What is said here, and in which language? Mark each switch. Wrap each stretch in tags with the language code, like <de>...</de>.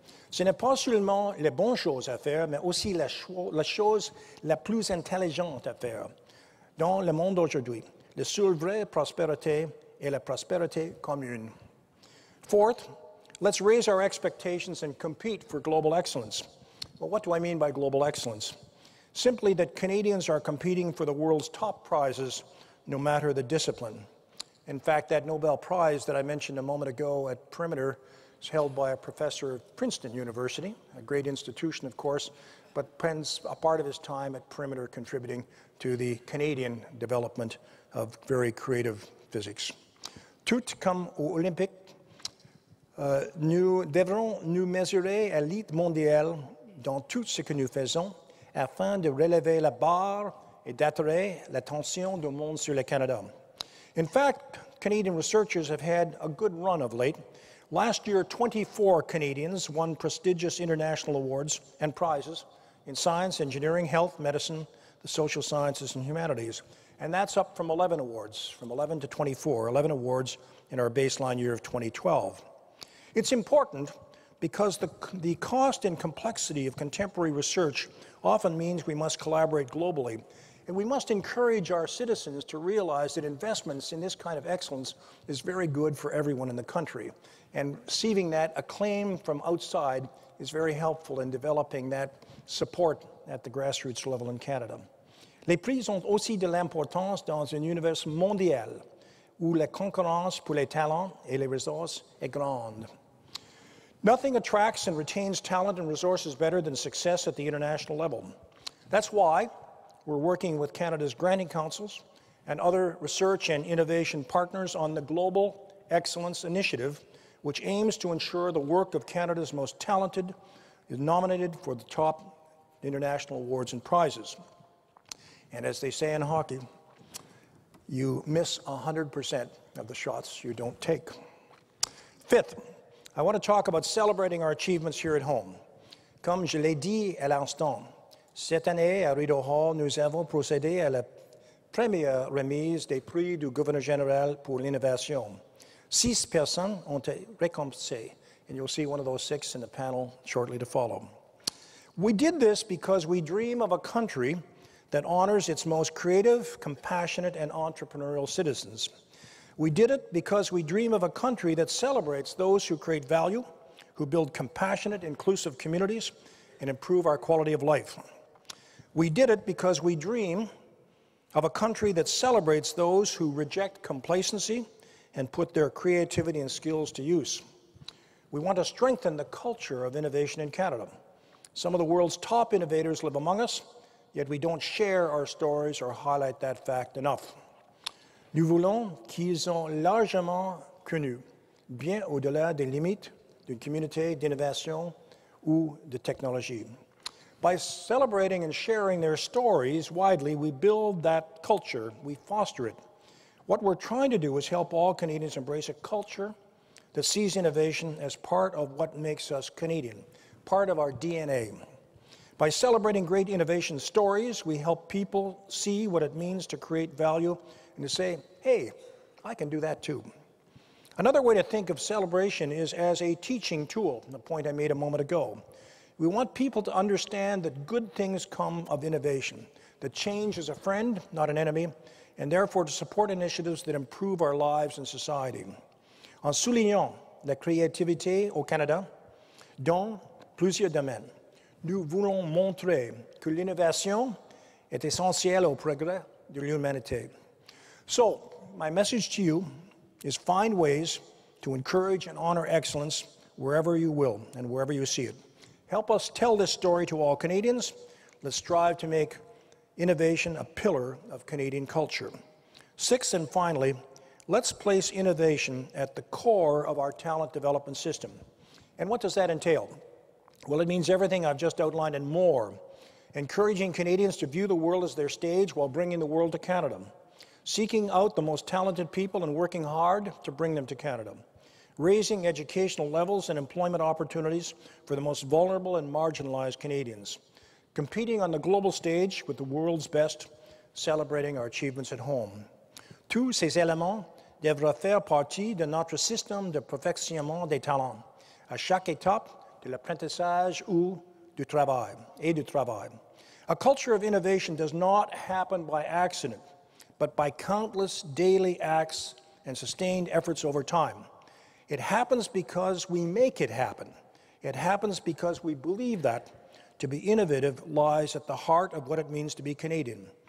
<fr>Ce n'est pas seulement les bonnes choses à faire, mais aussi la chose la plus intelligente à faire. Dans le monde aujourd'hui, la seule vraie prospérité est la prospérité commune.</fr> <en>Fourth, let's raise our expectations and compete for global excellence. Well, what do I mean by global excellence? Simply that Canadians are competing for the world's top prizes, no matter the discipline. In fact, that Nobel Prize that I mentioned a moment ago at Perimeter is held by a professor of Princeton University, a great institution, of course, but spends a part of his time at Perimeter contributing to the Canadian development of very creative physics.</en> <fr>Tout comme aux Olympiques, nous devrons nous mesurer à l'élite mondiale dans tout ce que nous faisons afin de relever la barre et d'attirer l'attention du monde sur le Canada.</fr> <en>In fact, Canadian researchers have had a good run of late. Last year, 24 Canadians won prestigious international awards and prizes in science, engineering, health, medicine, the social sciences, and humanities. And that's up from 11 awards, from 11 to 24, 11 awards in our baseline year of 2012. It's important because the cost and complexity of contemporary research often means we must collaborate globally. And we must encourage our citizens to realize that investments in this kind of excellence is very good for everyone in the country. And receiving that acclaim from outside is very helpful in developing that support at the grassroots level in Canada.</en> <fr>Les prix ont aussi de l'importance dans un univers mondial où la concurrence pour les talents et les ressources est grande.</fr> <en>Nothing attracts and retains talent and resources better than success at the international level. That's why we're working with Canada's granting councils and other research and innovation partners on the Global Excellence Initiative, which aims to ensure the work of Canada's most talented is nominated for the top international awards and prizes. And as they say in hockey, you miss 100% of the shots you don't take. Fifth, I want to talk about celebrating our achievements here at home.</en> <fr>Comme je l'ai dit à l'instant, cette année à Rideau Hall, nous avons procédé à la première remise des prix du gouverneur général pour l'innovation. Six personnes ont été récompensées,</fr> <en>and you'll see one of those six in the panel shortly to follow. We did this because we dream of a country that honors its most creative, compassionate, and entrepreneurial citizens. We did it because we dream of a country that celebrates those who create value, who build compassionate, inclusive communities, and improve our quality of life. We did it because we dream of a country that celebrates those who reject complacency and put their creativity and skills to use. We want to strengthen the culture of innovation in Canada. Some of the world's top innovators live among us, yet we don't share our stories or highlight that fact enough.</en> <fr>Nous voulons qu'ils soient largement connus, bien au-delà des limites d'une communauté d'innovation ou de technologie.</fr> <en>By celebrating and sharing their stories widely, we build that culture, we foster it. What we're trying to do is help all Canadians embrace a culture that sees innovation as part of what makes us Canadian, part of our DNA. By celebrating great innovation stories, we help people see what it means to create value and to say, hey, I can do that too. Another way to think of celebration is as a teaching tool, the point I made a moment ago. We want people to understand that good things come of innovation, that change is a friend, not an enemy, and therefore to support initiatives that improve our lives and society.</en> <fr>En soulignant la créativité au Canada, dans plusieurs domaines, nous voulons montrer que l'innovation est essentielle au progrès de l'humanité.</fr> <en>So, my message to you is find ways to encourage and honor excellence wherever you will and wherever you see it. Help us tell this story to all Canadians. Let's strive to make innovation a pillar of Canadian culture. Sixth and finally, let's place innovation at the core of our talent development system. And what does that entail? Well, it means everything I've just outlined and more. Encouraging Canadians to view the world as their stage while bringing the world to Canada. Seeking out the most talented people and working hard to bring them to Canada. Raising educational levels and employment opportunities for the most vulnerable and marginalized Canadians. Competing on the global stage with the world's best, celebrating our achievements at home.</en> <fr>Tous ces éléments devraient faire partie de notre système de perfectionnement des talents à chaque étape de l'apprentissage ou du travail, et du travail.</fr> <en>A culture of innovation does not happen by accident, but by countless daily acts and sustained efforts over time. It happens because we make it happen. It happens because we believe that to be innovative lies at the heart of what it means to be Canadian.</en>